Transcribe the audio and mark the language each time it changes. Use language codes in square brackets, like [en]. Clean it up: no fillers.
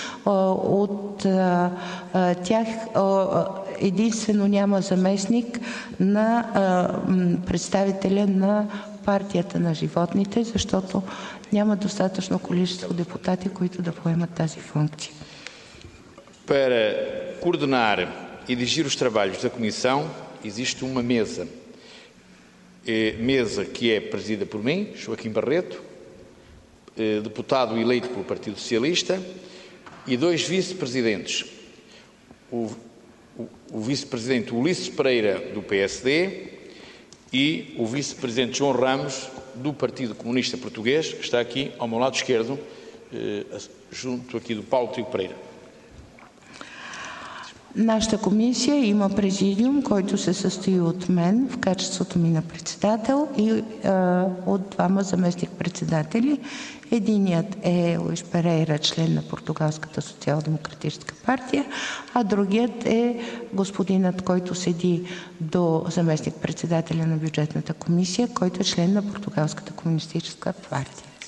[bg] От тях единствено няма заместник на представителя на партията на животните, защото няма достатъчно количество депутати, които да поемат тази функция. [pt] Para coordenar и dirigir os trabalhos da comissão, existe uma mesa. Mesa que é presidida por mim, Joaquim Barreto, deputado eleito pelo Partido Socialista, e dois vice-presidentes, o vice-presidente Ulisses Pereira, do PSD, e o vice-presidente João Ramos, do Partido Comunista Português, que está aqui ao meu lado esquerdo, junto aqui do Paulo Trigo Pereira. [bg] Нашата комисия има президиум, който се състои от мен в качеството ми на председател и от двама заместник-председатели. Единият е Луис Перейра, член на Португалската социал-демократическа партия, а другият е господинът, който седи до заместник-председателя на бюджетната комисия, който е член на Португалската комунистическа партия.